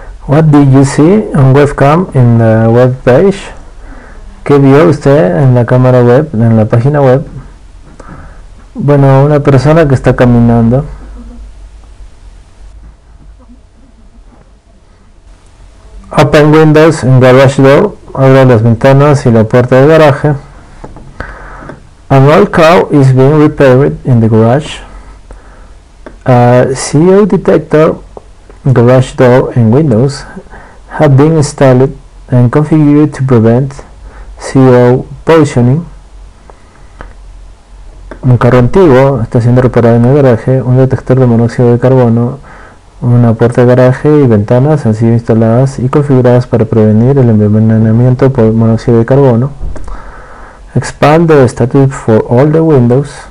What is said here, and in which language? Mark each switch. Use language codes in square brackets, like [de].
[en] What did you see on webcam in the web page? [es] ¿Qué vio usted en la cámara web, en la página web? Bueno, una persona que está caminando. [en] Open windows in garage door. [es] Abre las ventanas y la puerta de garaje. [en] An old car is being repaired in the garage. A CO detector, garage door and windows have been installed and configured to prevent CO positioning. [es] Un carro antiguo está siendo reparado en el garaje. Un detector de monóxido de carbono, una puerta de garaje y ventanas han sido instaladas y configuradas para prevenir el envenenamiento por monóxido de carbono. [en] Expand the status for all the windows.